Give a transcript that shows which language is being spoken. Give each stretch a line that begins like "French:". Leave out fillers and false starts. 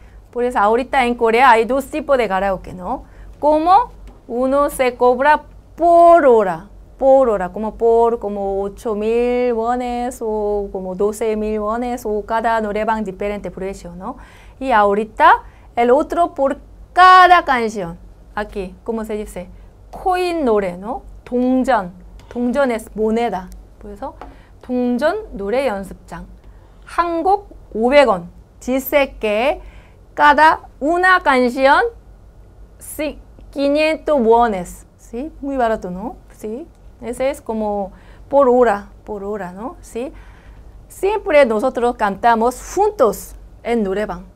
Spanish: Por eso ahorita en Corea hay dos tipos de karaoke, ¿no? Como uno se cobra por hora, como por como 8,000 wones o como 12,000 wones o cada 노래방 diferente precio, ¿no? Y ahorita el otro por cada canción. Aquí, ¿cómo se dice? Coin 노래, ¿no? 동전. 동전 es moneda.
Korean: 그래서 동전 노래 연습장. 한 곡 500원.
Spanish: Dice que cada una canción 500 wones. ¿Sí? Muy barato, ¿no? Sí. Ese es como por hora. Por hora, ¿no? Sí. Siempre nosotros cantamos juntos en 노래방.